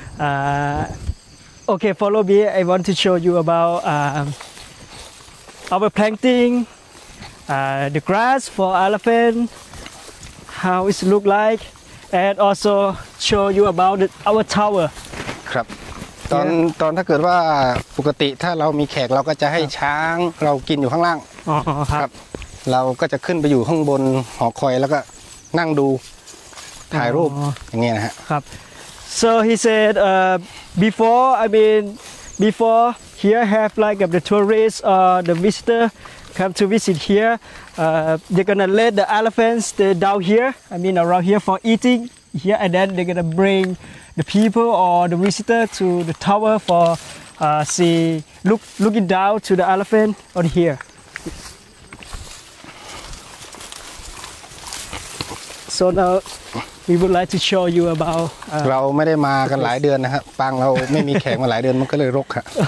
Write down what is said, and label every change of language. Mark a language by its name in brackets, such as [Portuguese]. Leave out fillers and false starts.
[English] Okay, follow me. I want to show you about our planting, the grass for elephant, how it look like, and also show you about our tower. [Thai] ครับตอน yeah. ตอนถ้าเกิดว่าปกติถ้าเรามีแขกเราก็จะให้ช้างเรากินอยู่ข้างล่าง ครับ เราก็จะขึ้นไปอยู่ข้างบนหอคอยแล้วก็นั่งดูถ่ายรูปอย่างเงี้ยนะฮะ [English] ครับ so he said before I mean before here have like the tourists or the visitor come to visit here they're gonna let the elephants stay down here I mean around here for eating here and then they're gonna bring the people or the visitor to the tower for see looking down to the elephant on here so now we would like to show you about [Thai] เราไม่ได้มากันหลายเดือนนะครับปางเราไม่มีแขกมาหลายเดือนมันก็เลยรกครับ